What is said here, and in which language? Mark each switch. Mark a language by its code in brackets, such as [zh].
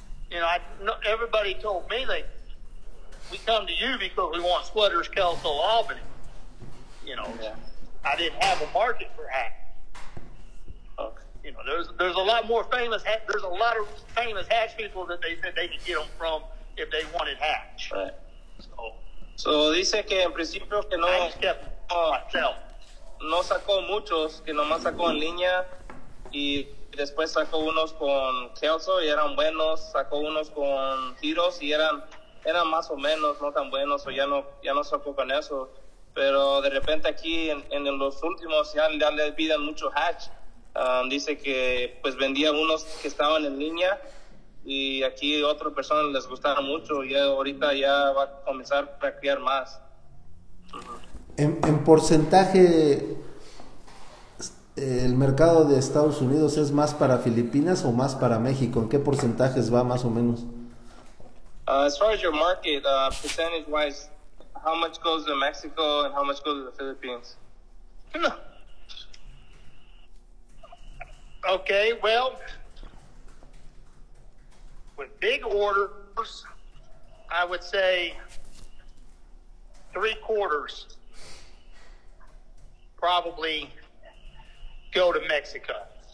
[en] You know, everybody told me, like, we come to you because we want sweaters, Kelso, Albany. You know, yeah. I didn't have a market for hat. Okay. You know, there's a lot more famous hat. There's a lot of famous hatch people that they said they could get them from if they wanted hatch. Right. So [es] dice que en principio que no, [en] I just kept myself. [es] No sacó muchos, que nomás sacó en línea. Y después sacó unos con Kelso y eran buenos, sacó unos con Giros y eran más o menos, no tan buenos, o ya no sacó con eso. Pero de repente aquí en los últimos ya le piden mucho hatch. Dice que pues vendía unos que estaban en línea y aquí otras personas les gustaron mucho, y ahorita ya va a comenzar a criar más. En porcentaje, ¿el mercado de Estados Unidos es más para Filipinas o más para México? ¿En qué porcentajes va más o menos? [en] As far as your market, percentage-wise, how much goes to Mexico and how much goes to the Philippines? Okay, well, with big orders, I would say 3/4 probably go to Mexico.